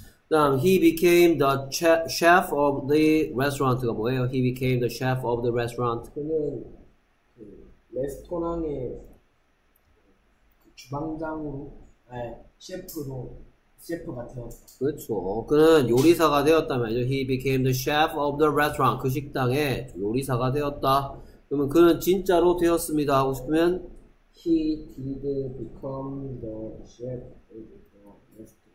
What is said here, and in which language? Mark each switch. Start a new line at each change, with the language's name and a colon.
Korean: 다음,
English: he became the chef of the restaurant
Korean: 가 뭐예요?
English: He became the chef of the restaurant.
Korean: 그는 레스토랑의 주방장으로, 셰프가 되었다. 그렇죠. 그는 요리사가 되었다면,
English: he became the chef of the restaurant.
Korean: 그 식당의 요리사가 되었다. 그러면 그는 진짜로 되었습니다 하고 싶으면,
English: He did become the chef of the restaurant.